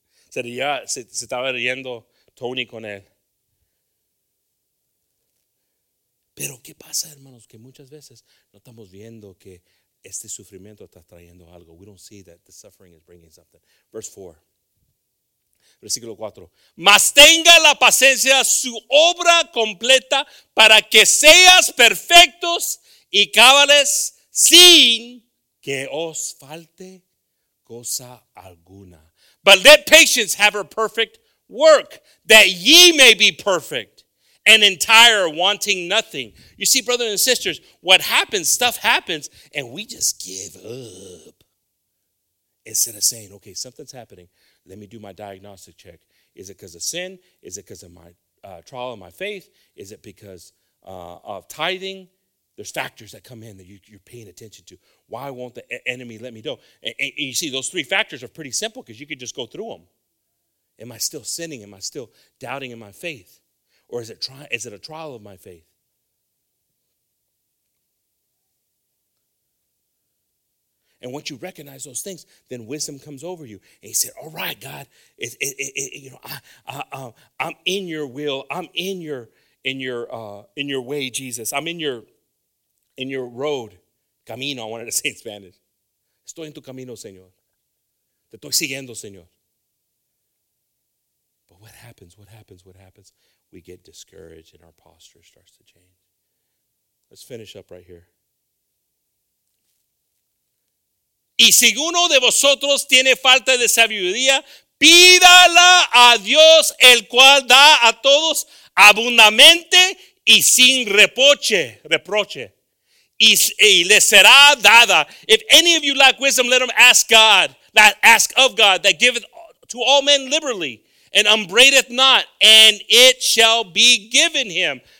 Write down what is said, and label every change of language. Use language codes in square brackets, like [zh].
[es] Se estaba riendo Tony con él. Pero ¿qué pasa, hermanos? Que muchas veces no estamos viendo que este sufrimiento está trayendo algo. [en] We don't see that the suffering is bringing something. Verse 4. [es] Versículo 4. Mas tenga la paciencia su obra completa para que seas perfectos y cabales sin que os falte cosa alguna. [en] But let patience have her perfect work, that ye may be perfect and entire, wanting nothing. You see, brothers and sisters, what happens, stuff happens, and we just give up. Instead of saying, okay, something's happening. Let me do my diagnostic check. Is it because of sin? Is it because of my trial of my faith? Is it because of tithing? There's factors that come in that you're paying attention to. Why won't the enemy let me go? And you see, those three factors are pretty simple because you could just go through them. Am I still sinning? Am I still doubting in my faith? Or is it a trial of my faith? And once you recognize those things, then wisdom comes over you. And he said, all right, God, you know, I'm in your will. I'm in your in your way, Jesus. I'm in your road, camino, I wanted to say in Spanish. [es] Estoy en tu camino, Señor. Te estoy siguiendo, Señor. [en] But what happens? What happens? What happens? We get discouraged and our posture starts to change. Let's finish up right here. [es] Y si uno de vosotros tiene falta de sabiduría, pídala a Dios, el cual da a todos abundantemente y sin reproche. Y le será dada. [en] If any of you lack wisdom, let him ask God, that ask of God, that giveth to all men liberally, and upbraideth not, and it shall be given him.